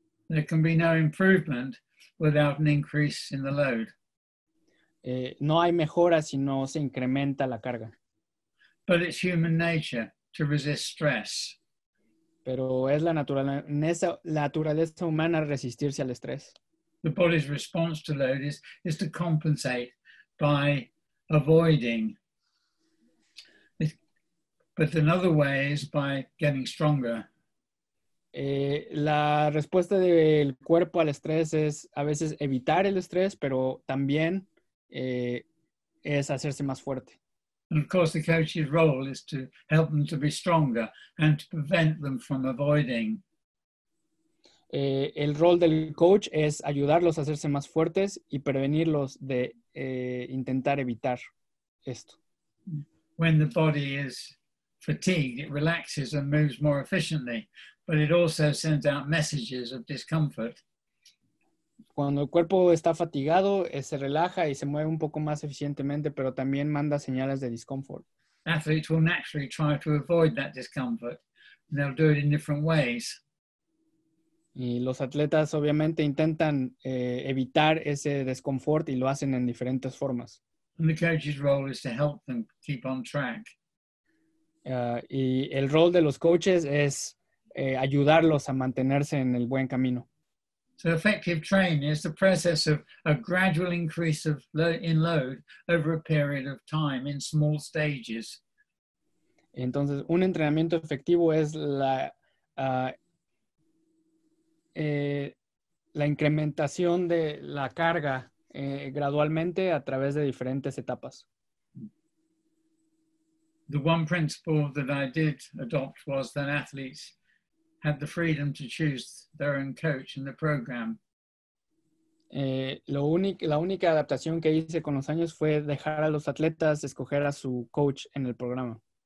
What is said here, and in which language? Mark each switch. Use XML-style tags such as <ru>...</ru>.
<en>There can be no improvement without an increase in the load.</en> <es>No hay mejora si no se incrementa la carga.</es> <en>But it's human nature to resist stress.</en> <es>Pero es la naturaleza humana resistirse al estrés.</es> <en>The body's response to load is to compensate by avoiding. But another way is by getting stronger.</en> <es>La respuesta del cuerpo al estrés es a veces evitar el estrés, pero también es hacerse más fuerte.</es> <en>And of course, the coach's role is to help them to be stronger and to prevent them from avoiding.</en> <es>El rol del coach es ayudarlos a hacerse más fuertes y prevenirlos de intentar evitar esto.</es> <en>When the body is fatigued, it relaxes and moves more efficiently, but it also sends out messages of discomfort.</en> <es>Cuando el cuerpo está fatigado, se relaja y se mueve un poco más eficientemente, pero también manda señales de discomfort.</es> <en>Athletes will naturally try to avoid that discomfort. They'll do it in different ways.</en> <es>Y los atletas obviamente intentan evitar ese desconfort y lo hacen en diferentes formas.</es> <en>And the coach's role is to help them keep on track.</en> <es>Y el rol de los coaches es ayudarlos a mantenerse en el buen camino.</es> <en>So effective training is the process of a gradual increase of load over a period of time in small stages.</en> <es>Entonces, un entrenamiento efectivo es la la incrementación de la carga gradualmente a través de diferentes etapas.</es> <en>The one principle that I did adopt was that athletes had the freedom to choose their own coach and the program.</en> <es>La única adaptación que hice con los años fue dejar a los atletas escoger a su coach en el programa.</es>